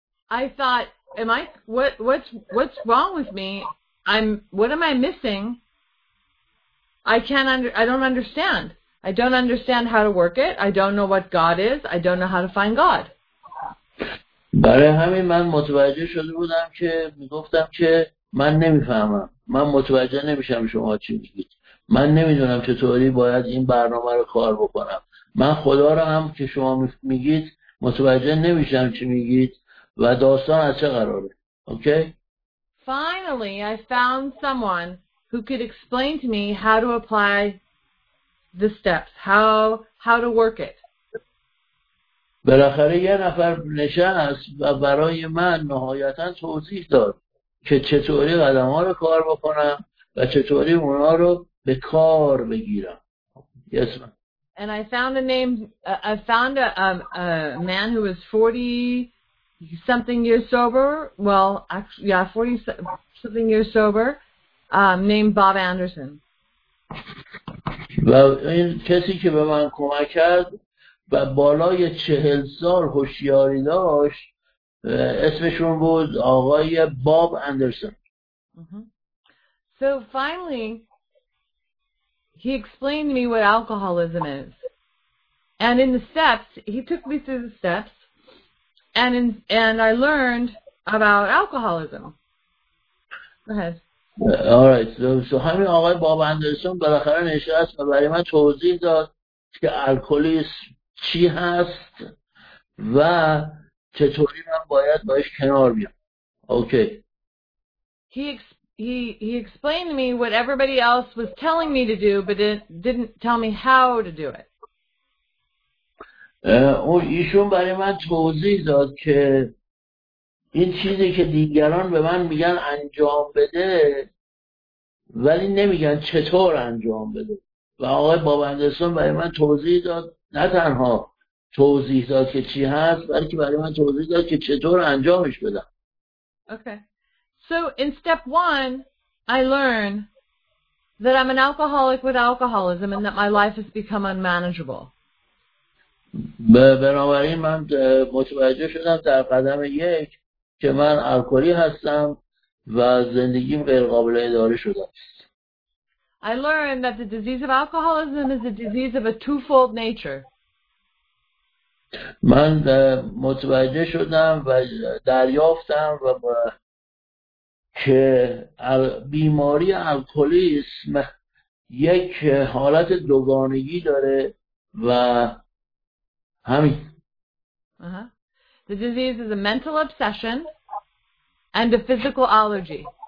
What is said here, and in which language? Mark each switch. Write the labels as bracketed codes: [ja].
[en] I thought, what's wrong with me? What am I missing? I don't understand. I don't understand how to work it. I don't know what God is. I don't know how to find God. [fa] برای همین من متوجه شده بودم که میگفتم که من نمیفهمم. من متوجه نمیشم شما چی میگید. من نمیدونم چطوری باید این برنامه رو کار بکنم. من خدا رو هم که شما میگید متوجه نمیشم چی میگید و داستان از چه قراره. [en] Okay? Finally, I found someone who could explain to me how to apply the steps, how to work it. [fa] بالاخره یه نفر نشست و برای من نهایتا توضیح داد که چطوری قدم‌ها رو کار بکنم و چطوری اونا رو به کار بگیرم. [en] Yes, ma'am. And I found a name, I found a man who was 40 something years sober, well, actually, yeah, 40 something years sober, named Bob Anderson. [fa] و این کسی که به من کمک کرد و بالای 40 سال هوشیاری داشت اسمشون بود آقای باب اندرسون. [en] So finally he explained to me what alcoholism is. And in the steps, he took me through the steps and I learned about alcoholism. Go ahead. Alright, so [fa] همین آقای باب اندرسون بالاخره نشست و برای من توضیح داد که الکلیسم چی هست و چطوری من باید باش کنار بیام. [en] Okay. He explained to me what everybody else was telling me to do, but didn't tell me how to do it. [fa] ایشون برای من توضیح داد که این چیزی که دیگران به من میگن انجام بده ولی نمیگن چطور انجام بده. و آقای بابندرسون برای من توضیح داد، نه تنها توضیح داد که چی هست، بلکه برای من توضیح داد که چطور انجامش بدم. [en] Okay. So in step one, I learn that I'm an alcoholic with alcoholism and that my life has become unmanageable. [fa] بنابراین من متوجه شدم در قدم یک که من الکلی هستم و زندگیم غیر قابل اداره شده است. [en] I learned that the disease of alcoholism is a disease of a twofold nature. [fa] من متوجه شدم و دریافتم و که بیماری الکلیسم یک حالت دوگانگی داره و همین. [en] The disease is a mental obsession and a physical allergy.